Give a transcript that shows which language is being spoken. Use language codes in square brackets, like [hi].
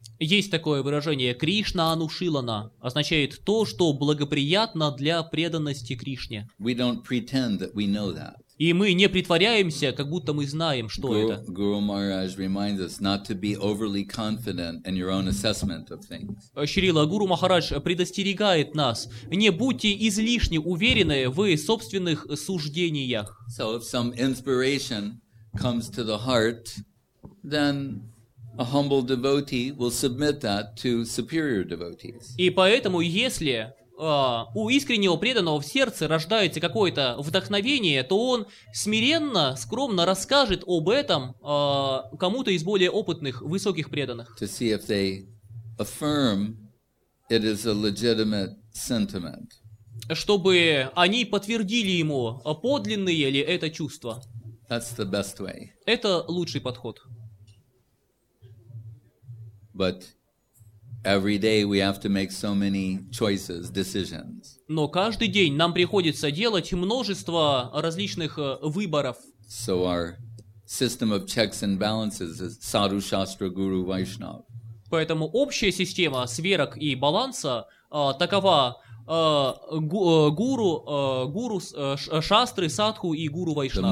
[ru] Есть такое выражение, Кришнанушилана, означает то, что благоприятно для преданности Кришне. [en] We don't pretend that we know that. [ru] И мы не притворяемся, как будто мы знаем, что это. [en] Guru Maharaj reminds us not to be overly confident in your own assessment of things. [ru] Шрила, Гуру Махарадж предостерегает нас. Не будьте излишне уверены в собственных суждениях. [en] So if some inspiration comes to the heart, then a humble devotee will submit that to superior devotees. [ru] И поэтому, если у искреннего преданного в сердце рождается какое-то вдохновение, то он смиренно, скромно расскажет об этом кому-то из более опытных, высоких преданных. [en] To see if they affirm it is a legitimate sentiment. [ru] Чтобы они подтвердили ему, подлинные ли это чувства. [en] That's the best way. [ru] Это лучший подход. [en] But every day we have to make so many choices, decisions. [ru] Но каждый день нам приходится делать множество различных выборов. [en] So our system of checks and balances is Sadhu Shastra Guru Vaishnav. [ru] Поэтому общая система сверок и баланса такова Шастры, Садху и Гуру Вайшнав.